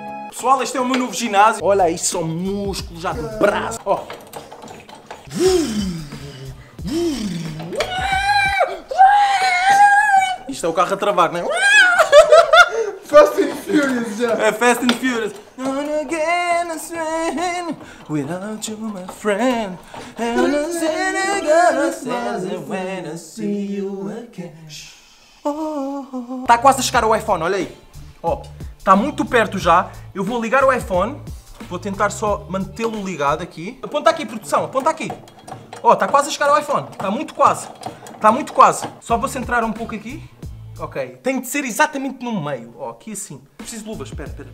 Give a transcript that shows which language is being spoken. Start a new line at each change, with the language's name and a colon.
Portuguese: Pessoal, este é o meu novo ginásio. Olha aí, são músculos já do braço. Ó. Isto é o carro a travar, não é? Fast and Furious já. É Fast and Furious.
English: Gonna get a swing without you, my friend. And I'm gonna get a swing when I see you again.
Portuguese: Está quase a chegar o iPhone, olha aí. Ó. Está muito perto já. Eu vou ligar o iPhone. Vou tentar só mantê-lo ligado aqui. Aponta aqui, produção. Aponta aqui. Ó, está quase a chegar o iPhone. Está muito quase. Está muito quase. Só vou centrar um pouco aqui. Ok. Tem de ser exatamente no meio. Ó, aqui assim. Preciso de luvas. Espera, espera.